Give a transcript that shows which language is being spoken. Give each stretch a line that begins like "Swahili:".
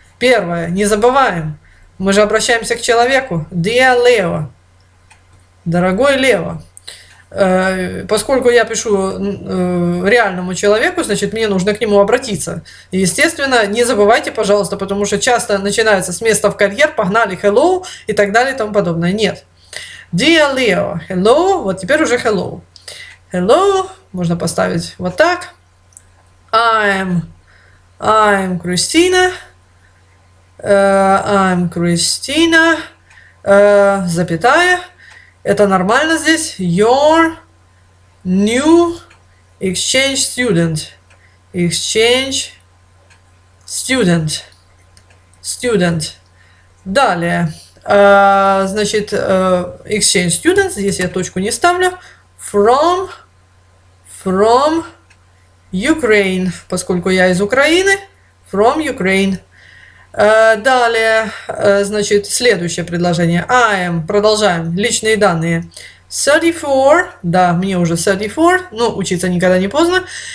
Russian: Первое, не забываем, мы же обращаемся к человеку,
English: dear Leo,
Russian: дорогой Лео. Поскольку я пишу реальному человеку, значит, мне нужно к нему обратиться. Естественно, не забывайте, пожалуйста, потому что часто начинается с места в карьер, погнали,
English: hello
Russian: и так далее и тому подобное. Нет,
English: dear Leo, hello,
Russian: вот теперь уже
English: hello, hello.
Russian: Можно поставить вот так.
English: I'm Christina. I'm Christina.
Russian: Запятая. Это нормально здесь.
English: Your new exchange student. Exchange student. Student.
Russian: Далее. Значит,
English: exchange student.
Russian: Здесь я точку не ставлю.
English: From Ukraine,
Russian: поскольку я из Украины,
English: from Ukraine.
Russian: Далее, значит, следующее предложение.
English: I am,
Russian: продолжаем, личные данные. 34, да, мне уже 34, но учиться никогда не поздно.